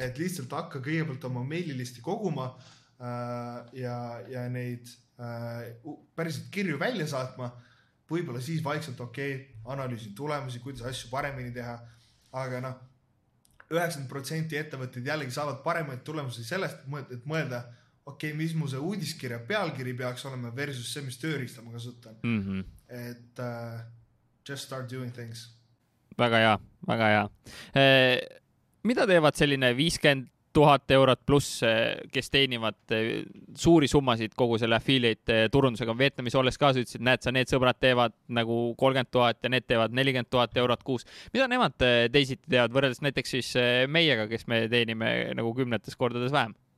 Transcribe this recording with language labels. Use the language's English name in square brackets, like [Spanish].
[Estonian] Et lihtsalt hakka kõigepealt oma maililisti koguma ja neid päriselt kirju välja saatma, võibolla siis vaikselt okei, okay, analüüsi tulemusi, kuidas asju paremini teha, aga noh, 90% ettevõtted jällegi saavad paremaid tulemusi sellest, et mõelda, okei, okay, mis mu see uudiskirja pealkiri peaks olema versus see, mis tööriista ma kasutan. Mm-hmm. [English] Et just start doing things. [Estonian] Väga hea. Mida teevad selline 50,000 eurot pluss, kes teenivad suuri summasid kogu selle affiliate turundusega Vietnamis olles ka, sa ütlesid, näed sa, need sõbrad teevad nagu 30,000 ja need teevad 40,000 eurot kuus. Mida nemad teisid teevad võrreldes näiteks siis meiega, kes me teenime nagu kümnetes kordades vähem?